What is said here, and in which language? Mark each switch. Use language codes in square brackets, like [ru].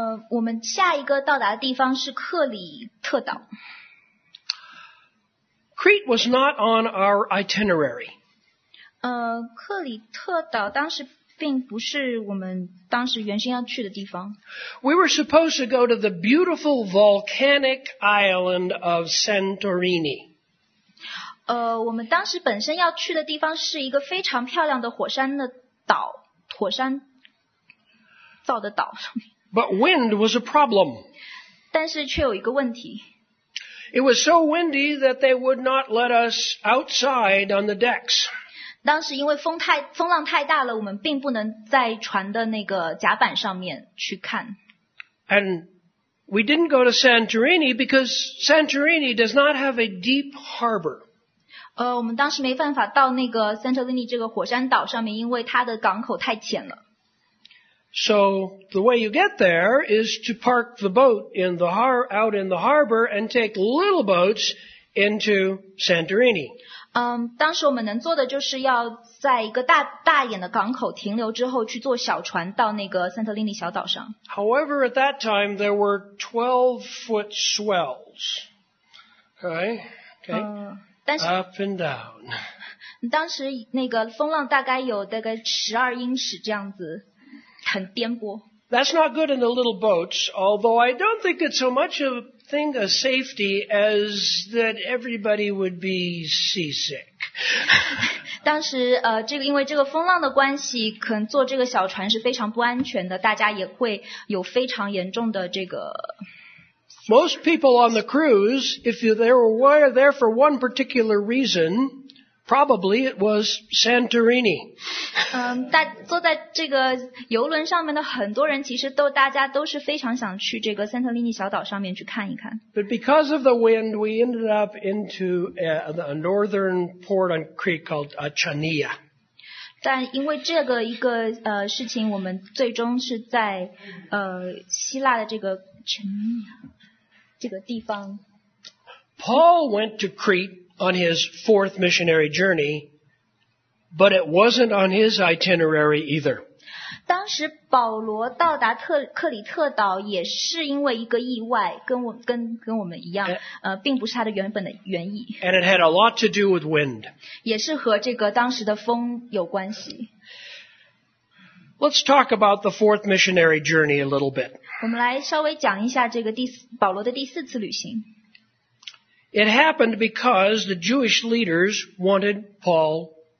[zh] 我们下一个到达的地方是克里特岛。 [en] Crete was not on our itinerary. [zh] 克里特岛当时并不是我们当时原先要去的地方。 [en] We were supposed to go to the beautiful volcanic island of Santorini. [zh] 我们当时本身要去的地方是一个非常漂亮的火山的岛，火山造的岛。 [en] But wind was a problem. [zh] 但是却有一个问题。 [en] It was so windy that they would not let us outside on the decks. [zh] 当时因为风浪太大了，我们并不能在船的那个甲板上面去看。 [en] And we didn't go to Santorini because Santorini does not have a deep harbor. [zh] 我们当时没办法到那个 Santorini 这个火山岛上面，因为它的港口太浅了。 [en] So the way you get there is to park the boat in the out in the harbor and take little boats into Santorini. [zh] 当时我们能做的就是要在一个大一点的港口停留之后去坐小船到那个圣托里尼小岛上。 [en] However, at that time, there were 12-foot swells. Okay? Okay? [zh] 但是 [en] up and down. [zh] 当时那个风浪大概12英尺这样子，很颠簸。 [en] That's not good in the little boats, although I don't think it's so much of think of safety as that everybody would be seasick. [zh] 当时这个因为这个风浪的关系，可能坐这个小船是非常不安全的，大家也会有非常严重的这个。 [en] Most people on the cruise, if they were there for one particular reason, probably it was Santorini. [zh] 坐在这个游轮上面的很多人其实大家都是非常想去这个圣托里尼小岛上面去看一看。 [en] But because of the wind, we ended up into a northern port on Crete called Achania. [zh] 但因为这个一个事情，我们最终是在希腊的这个 Achania 这个地方。 [en] Paul went to Crete on his fourth missionary journey. But it wasn't on his itinerary either. [zh] 当时保罗到达克里特岛也是因为一个意外，跟我们一样，并不是他的原本的原意。 [en] And it had a lot to do with wind. [zh] 也是和这个当时的风有关系。 [en] Let's talk about the fourth missionary journey a little bit. [zh] 我们来稍微讲一下这个保罗的第四次旅行。 [en] It happened because the Jewish leaders wanted Paul.